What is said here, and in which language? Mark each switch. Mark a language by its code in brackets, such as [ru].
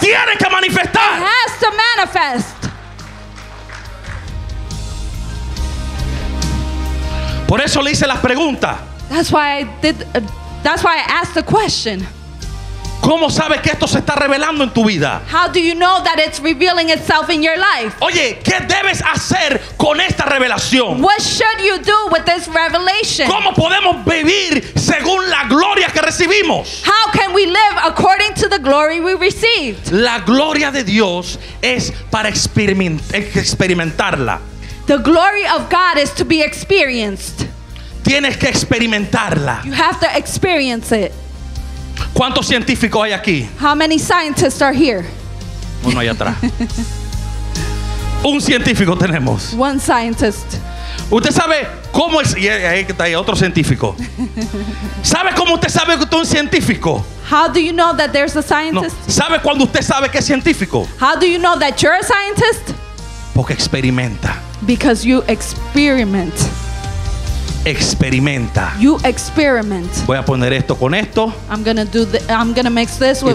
[es] Se tiene que manifestar. [en] It has to manifest. [es] Por eso le hice las preguntas. [en] That's why I asked the question. [es] ¿Cómo sabes que esto se está revelando en tu vida? [en] How do you know that it's revealing itself in your life? [es] Oye, ¿qué debes hacer con esta revelación? [en] What should you do with this revelation? [es] ¿Cómo podemos vivir según la gloria que recibimos? [en] How can we live according to the glory we received? [es] La gloria de Dios es para experimentarla. [en] The glory of God is to be experienced. [es] Tienes que experimentarla. [en] You have to experience it. [es] ¿Cuántos científicos hay aquí? [en] How many scientists are here? [es] Uno allá atrás. Un científico tenemos. [en] One scientist. [es] ¿Usted sabe cómo es? Ahí está otro científico. ¿Sabe cómo usted sabe que usted es un científico? [en] How do you know that there's a scientist? [es] No. ¿Sabe cuando usted sabe que es científico? [en] How do you know that you're a scientist? [es] Porque experimenta. [en] Because you experiment. [es] Experimenta. [en] You experiment. [es] Voy a poner esto con esto. [en] I'm gonna mix this with